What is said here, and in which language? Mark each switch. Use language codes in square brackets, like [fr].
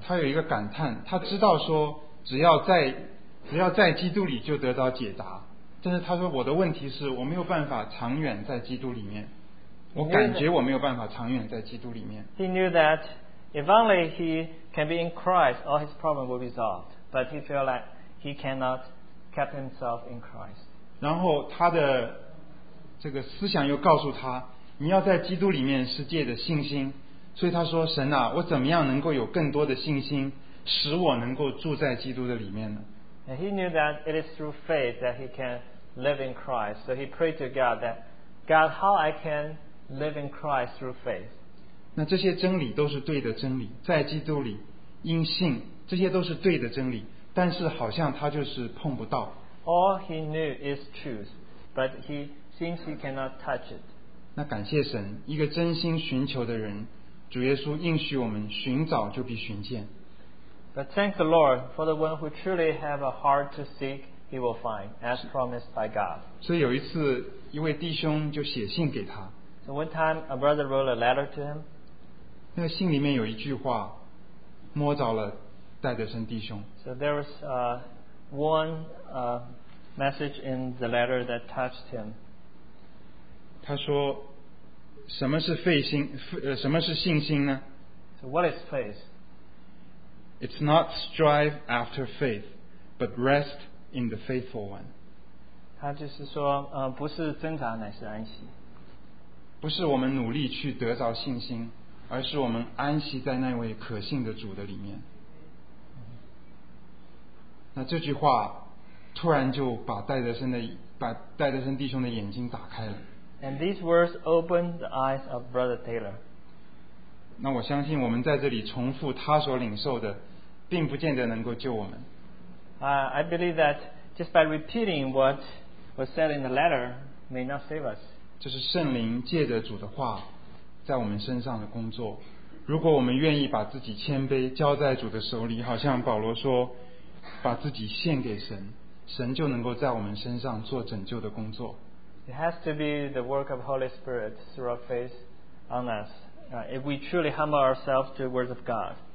[zh] 他有一个感叹，他知道说只要在基督里就得到解答。但是他说我的问题是我没有办法长远在基督里面。我感觉我没有办法长远在基督里面。 [en] He knew that if only he can be in Christ, all his problem will be solved. But he feel like he cannot keep himself in Christ. [zh] 然后他的这个思想又告诉他，你要在基督里面是借着信心，所以他说，神啊，我怎么样能够有更多的信心，使我能够住在基督的里面呢？ [en] And he knew that it is through faith that he can live in Christ. So he prayed to God that, God, how I can live in Christ through faith. [zh] 那这些真理都是对的真理，在基督里，因信，这些都是对的真理，但是好像他就是碰不到。 [en] All he knew is truth, but he seems he cannot touch it. [zh] 那感谢神，一个真心寻求的人，主耶稣应许我们寻找就必寻见。 [en] But thank the Lord for the one who truly have a heart to seek, he will find, as promised by God. [zh] 所以有一次，一位弟兄就写信给他。 [en] So one time a brother wrote a letter to him. [zh] 那个信里面有一句话，摸着了戴德森弟兄。 [en] So there was message in the letter that touched him. [zh] 他说，什么是费心，什么是信心呢？ [en] So what is faith? It's not strive after faith, but rest in the faithful one. [zh] 他就是说，不是挣扎乃是安息。不是我们努力去得着信心，而是我们安息在那位可信的主的里面。那这句话突然就把戴德森弟兄的眼睛打开了。 [en] And these words opened the eyes of Brother Taylor. [zh] 那我相信我们在这里重复他所领受的，并不见得能够救我们。 [en] I believe that just by repeating what was said in the letter may not save us. [zh] 这是圣灵借着主的话在我们身上的工作。如果我们愿意把自己谦卑交在主的手里，好像保罗说。把自己献给神，神就能够在我们身上做拯救的工作。 [en] It has to be the work of Holy Spirit through our faith on us, if we truly humble ourselves to the words of God.